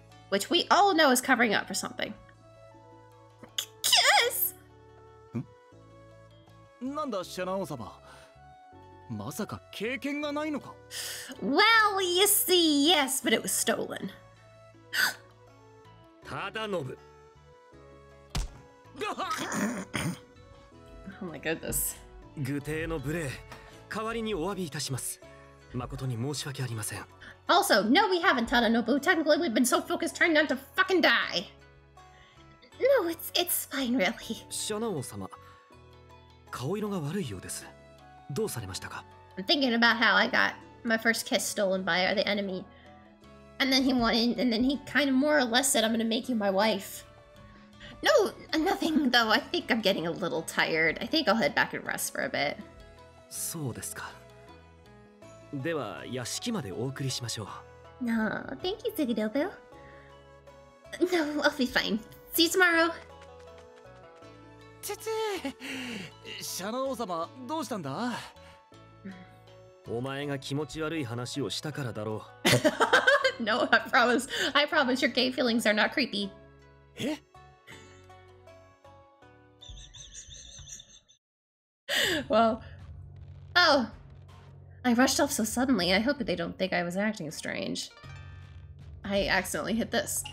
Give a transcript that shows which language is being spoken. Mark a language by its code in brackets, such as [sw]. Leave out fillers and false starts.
[en] Which we all know is covering up for something. [ja] なんだシャナオ様、まさか経験がないのか。 [en] Well, you see, yes, but it was stolen. [ja] ただのぶ。 [en] Oh my goodness. [ja] 愚弟の無礼、代わりにお詫びいたします。誠に申し訳ありません。 [en] Also, no, we haven't, Tadanobu. Technically, we've been so focused trying not to fucking die. No, it's fine, really. [ja] シャナオ様。顔色が悪いようです。どうされましたか? [en] I'm thinking about how I got my first kiss stolen by the enemy. And then he wanted, and then he kind of more or less said, I'm gonna make you my wife. No, nothing though. I think I'm getting a little tired. I think I'll head back and rest for a bit. [ja] そうですか。では、屋敷までお送りしましょう。 [en] No, thank you, Tsugidobu. No, I'll be fine. See you tomorrow. [ja] ちちシャナオ様どうしたんだ、うん、お前が気持ち悪い話をしたからだろう。 [en] No, I promise your gay feelings are not creepy. え Well, oh, I rushed off so suddenly. I hope they don't think I was acting strange. I accidentally hit this.